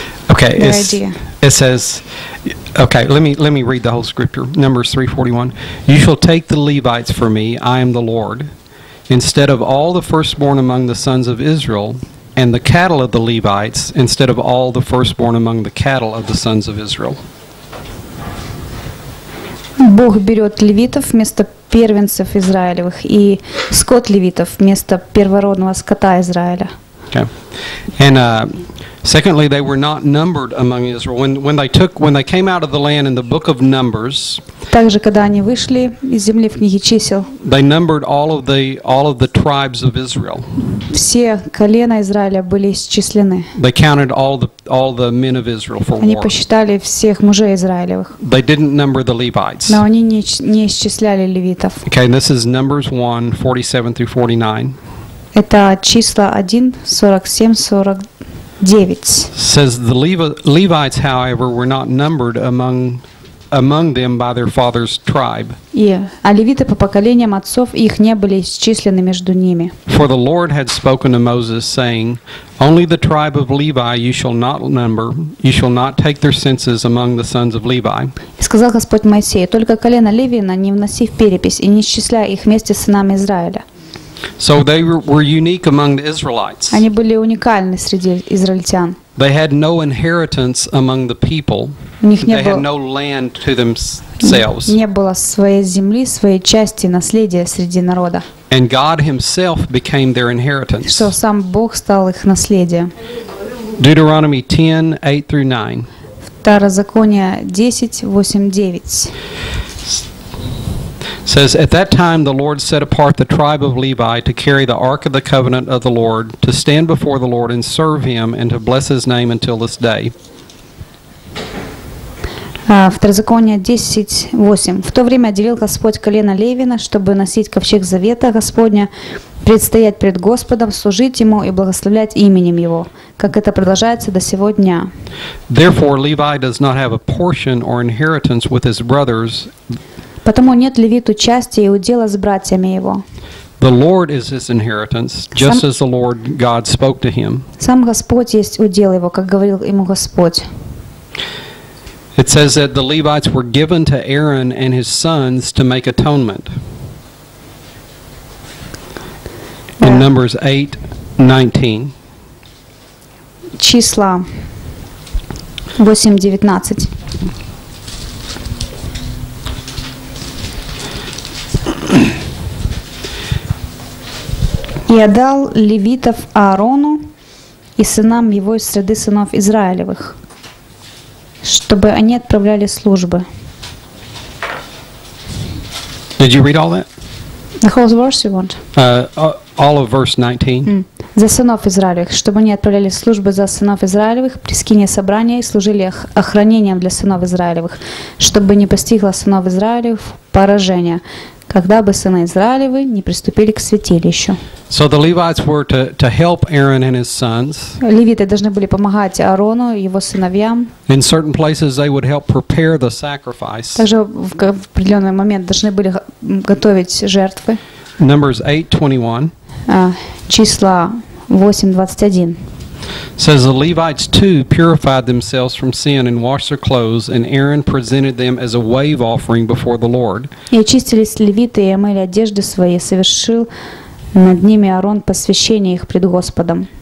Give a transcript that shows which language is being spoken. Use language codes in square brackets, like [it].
[en] Okay, let me read the whole scripture. Numbers 3:41. You shall take the Levites for me, I am the Lord, instead of all the firstborn among the sons of Israel, and the cattle of the Levites, instead of all the firstborn among the cattle of the sons of Israel. [ru] Бог берет левитов вместо первенцев Израилевых и скот левитов вместо первородного скота Израиля. [en] Okay. And secondly, they were not numbered among Israel. When they came out of the land in the book of Numbers. [ru] Также когда они вышли из земли в книге чисел. [en] They numbered all of the tribes of Israel. [ru] Все колена Израиля были исчислены. [en] They counted all the men of Israel for war. [ru] Они посчитали всех мужей Израилевых. [en] They didn't number the Levites. [ru] Но они не исчисляли левитов. [en] Okay, and this is Numbers 1:47-49. [ru] Это числа 1:47-49. [en] Says the Levites, however, were not numbered among them by their father's tribe. [ru] А левиты по поколениям отцов их не были исчислены между ними. [en] For the Lord had spoken to Moses, saying, "Only the tribe of Levi you shall not number; you shall not take their census among the sons of Levi." [ru] Сказал Господь Моисею: только колено Левина не вноси в перепись и не исчисляй их вместе с сынами Израиля. [en] So they were unique among the Israelites. [ru] Они были уникальны среди израильтян. [en] They had no inheritance among the people. They had no land to themselves. [ru] Не было своей земли, своей части, наследия среди народа. [en] And God himself became their inheritance. [ru] Что сам Бог стал их наследием. [en] Deuteronomy 10:8-9. [ru] Второзаконие 10:8-9. [en] Says at that time the Lord set apart the tribe of Levi to carry the ark of the covenant of the Lord to stand before the Lord and serve him and to bless his name until this day. [ru] Второзаконие 10:8. В то время отделил Господь колено Левина, чтобы носить ковчег завета Господня, предстоять пред Господом, служить ему и благословлять именем его, как это продолжается до сего дня. [en] Therefore Levi does not have a portion or inheritance with his brothers. [ru] Потому нет левиту части и удела с братьями его. [en] The Lord is his inheritance, just as the Lord God spoke to him. [ru] Сам Господь есть удел его, как говорил ему Господь. [en] It says that the Levites were given to Aaron and his sons to make atonement. In Numbers 8, 19. [ru] Числа 8, 19. «И отдал левитов Аарону и сынам его из среды сынов Израилевых, чтобы они отправляли службы». [en] Did you read all that? The whole verse you want? All of verse 19. [ru] За сынов Израилевых, чтобы они отправляли службы за сынов Израилевых при скинии собрания и служили охранением для сынов Израилевых, чтобы не постигло сынов Израилев поражение, когда бы сыны Израилевы не приступили к святилищу. [en] So the Levites were to help Aaron and his sons. [ru] Левиты должны были помогать Аарону и его сыновьям. [en] In certain places they would help prepare the sacrifice. [ru] Также в определенный момент должны были готовить жертвы. [en] Numbers 8:21. [ru] Числа 8:21. [en] Says the Levites too purified themselves from sin and washed their clothes, and Aaron presented them as a wave offering before the Lord. [ru] И очистились левиты и омыли одежды свои, совершил над ними Аарон посвящение их пред Господом.